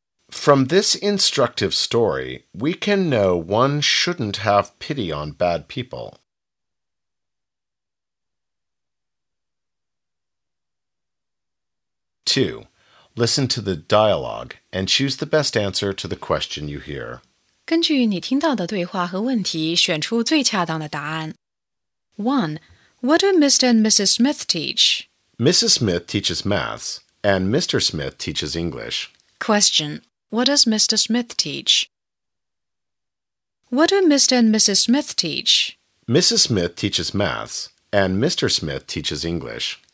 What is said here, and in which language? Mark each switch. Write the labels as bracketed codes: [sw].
[en] From this instructive story, we can know one shouldn't have pity on bad people. 2. Listen to the dialogue and choose the best answer to the question you hear. [zh] 根据你听到的对话和问题，选出最恰当的答案。 [en] 1. What do Mr. and Mrs. Smith teach? Mrs. Smith teaches maths, and Mr. Smith teaches English. Question. What does Mr. Smith teach? What do Mr. and Mrs. Smith teach? Mrs. Smith teaches maths, and Mr. Smith teaches English.